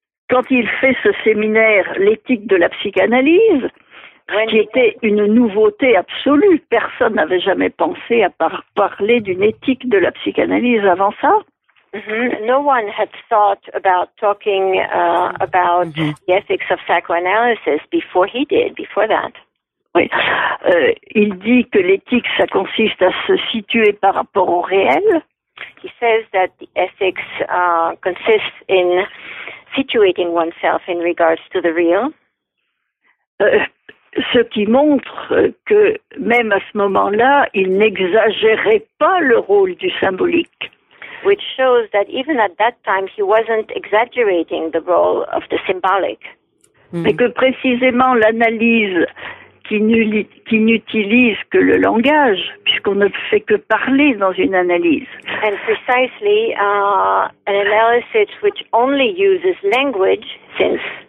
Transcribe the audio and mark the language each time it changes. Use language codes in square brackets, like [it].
[fr] Quand il fait ce séminaire, l'éthique de la psychanalyse, qui était une nouveauté absolue, personne n'avait jamais pensé à parler d'une éthique de la psychanalyse avant ça. Mm-hmm. [en] No one had thought about talking about the ethics of psychoanalysis before he did, before that. [fr] Oui. Il dit que l'éthique, ça consiste à se situer par rapport au réel. [en] He says that the ethics consists in situating oneself in regards to the real. [fr] Ce qui montre que même à ce moment-là, il n'exagérait pas le rôle du symbolique. [en] Which shows that even at that time, he wasn't exaggerating the role of the symbolic. Mm-hmm. [fr] Mais que précisément l'analyse qui n'utilise que le langage, puisqu'on ne fait que parler dans une analyse. [en] And precisely, an analysis which only uses language, since